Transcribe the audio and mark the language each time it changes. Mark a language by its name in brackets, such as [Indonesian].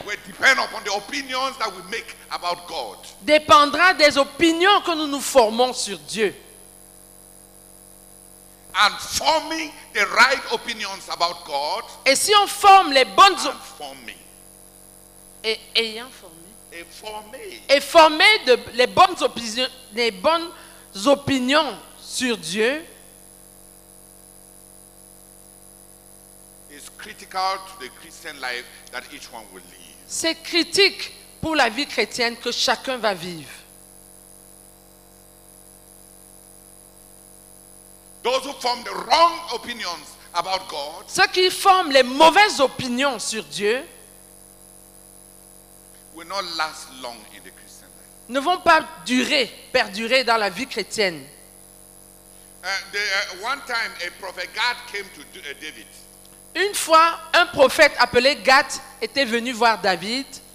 [English] will depend upon the opinions that we make about God. [French] Dépendra des opinions que nous nous formons sur Dieu. [English] And forming the right opinions about God. [French] Et si on forme les bonnes opinions. Et ayant formé. Et formé. Et formé de les bonnes opinions, les bonnes opinions sur Dieu. [English] It's critical to the Christian life that each one will live. [French] C'est critique pour la vie chrétienne que chacun va vivre. [English] Those who form the wrong opinions about God, [French] ceux qui forment les mauvaises opinions sur Dieu, [English] will not last long in the Christian life. [French] Ne vont pas perdurer dans la vie chrétienne. [English] One time, a prophet God came to David. [French] Une fois, un prophète appelé Gad était venu voir David.